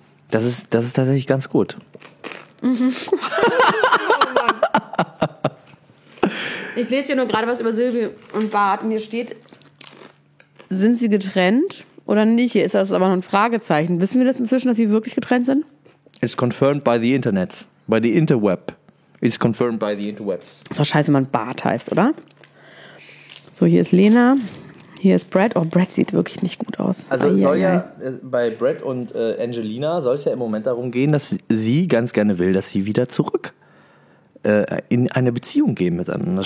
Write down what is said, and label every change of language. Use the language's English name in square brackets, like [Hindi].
[German] Das ist tatsächlich ganz gut. Ich lese hier nur gerade was über Sylvi und Bart und hier steht, sind sie getrennt oder nicht? Hier ist das aber noch ein Fragezeichen. Wissen wir das inzwischen, dass sie wirklich getrennt sind? [English] It's confirmed by the Internet. By the Interweb. It's confirmed by the Interwebs. [German] Ist doch scheiße, wenn man Bart heißt, oder? So, hier ist Lena. Hier ist Brad. Oh, Brad sieht wirklich nicht gut aus. Also bei Brad und Angelina soll es ja im Moment darum gehen, dass sie ganz gerne will, dass sie wieder zurück in eine Beziehung gehen miteinander.